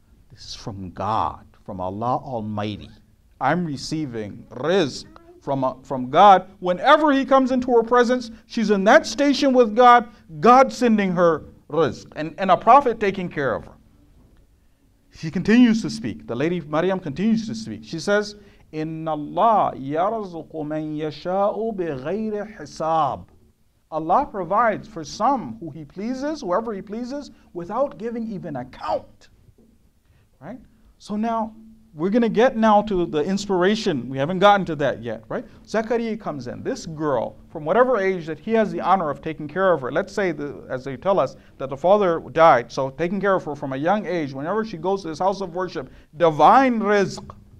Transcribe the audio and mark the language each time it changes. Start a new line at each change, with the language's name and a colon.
English: This is from God, from Allah Almighty. I'm receiving rizq from God. Whenever he comes into her presence, she's in that station with God, God sending her rizq, and a prophet taking care of her. She continues to speak. The lady Maryam continues to speak. She says,
Arabic: إِنَّ اللَّهَ يَرَزُقُ مَنْ يَشَاءُ بِغَيْرِ حِسَابٍ.
English: Allah provides for some who He pleases, whoever He pleases, without giving even account. Right? So now, we're going to get now to the inspiration. We haven't gotten to that yet, right? Zachariah comes in. This girl, from whatever age that he has the honor of taking care of her, let's say, as they tell us, that the father died, so taking care of her from a young age, whenever she goes to this house of worship, divine rizq.